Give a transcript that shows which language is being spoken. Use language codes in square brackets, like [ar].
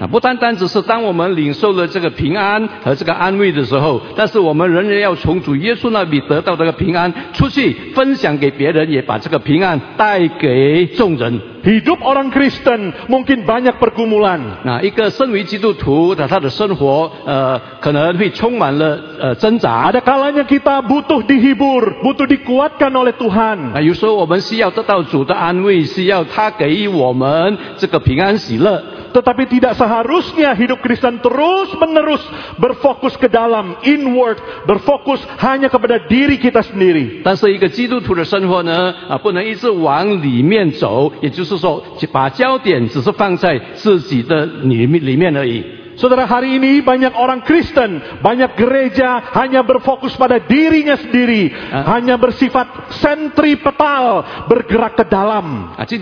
[zh] 不单单只是当我们领受了这个平安和这个安慰的时候，但是我们仍然要从主耶稣那里得到这个平安，出去分享给别人，也把这个平安带给众人。 [id] Hidup orang Kristen mungkin banyak pergumulan. [zh] 那一个身为基督徒的他的生活，可能会充满了挣扎。 [id] Ada kalanya kita butuh dihibur, butuh dikuatkan oleh Tuhan. [zh] 那有时候我们需要得到主的安慰，需要他给我们这个平安喜乐。 [id] Tetapi tidak seharusnya hidup Kristen terus menerus berfokus ke dalam, inward, berfokus hanya kepada diri kita sendiri. [zh] 但是一个基督徒的生活呢，不能一直往里面走，也就是说把焦点只是放在自己的里面而已。 [id] Saudara, hari ini banyak orang Kristen, banyak gereja hanya berfokus pada dirinya sendiri, hanya bersifat sentripetal, bergerak ke dalam.